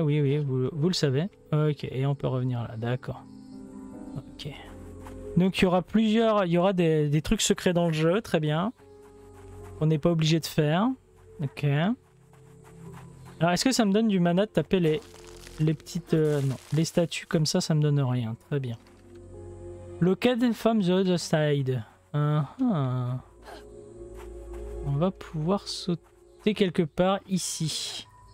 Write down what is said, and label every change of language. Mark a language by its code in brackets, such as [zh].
[fr] Oui, oui, vous le savez. Ok, et on peut revenir là. D'accord. Ok. Donc il y aura plusieurs, il y aura des trucs secrets dans le jeu, très bien. On n'est pas obligé de faire. Ok. Alors, est-ce que ça me donne du mana de taper les petites... non, les statues comme ça me donne rien. Très bien. [en] Located from the other side. [fr] On va pouvoir sauter quelque part ici.